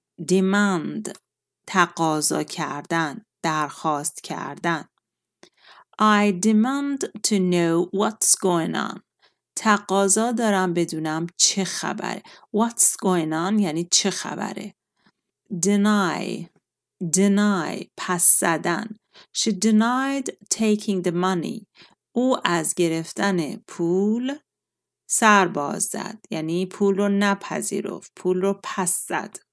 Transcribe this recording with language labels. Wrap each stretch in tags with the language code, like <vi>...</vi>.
<fa>Demand، تقاضا کردن، درخواست کردن.</fa> <en>I demand to know what's going on.</en> <fa>تقاضا دارم بدونم چه خبره.</fa> <en>What's going on</en> <fa>یعنی چه خبره. Deny پس زدن.</fa> <en>She denied taking the money.</en> <fa>او از گرفتن پول سر باز زد، یعنی پول رو نپذیرفت، پول رو پس زد.</fa>